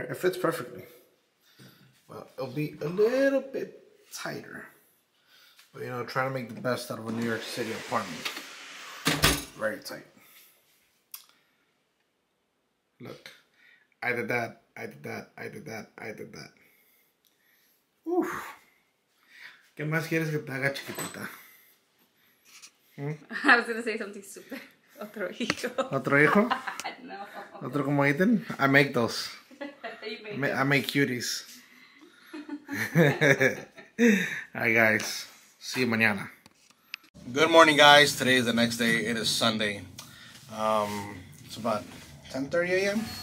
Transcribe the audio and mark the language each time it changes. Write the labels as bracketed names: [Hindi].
[English] It fits perfectly. Well, it'll be a little bit tighter. But you know, trying to make the best out of a New York City apartment. Very tight. Look, I did that, I did that, I did that, I did that. Oof. [Spanish] ¿Qué más quieres que te haga, chiquitita? [English] I was gonna say something stupid. [Spanish] Otro hijo. Otro hijo? No. Otro como Ethan? [English] I make those. I make cuties. Alright, guys. See you mañana. Good morning, guys. Today is the next day. It is Sunday. It's about 10:30 a.m.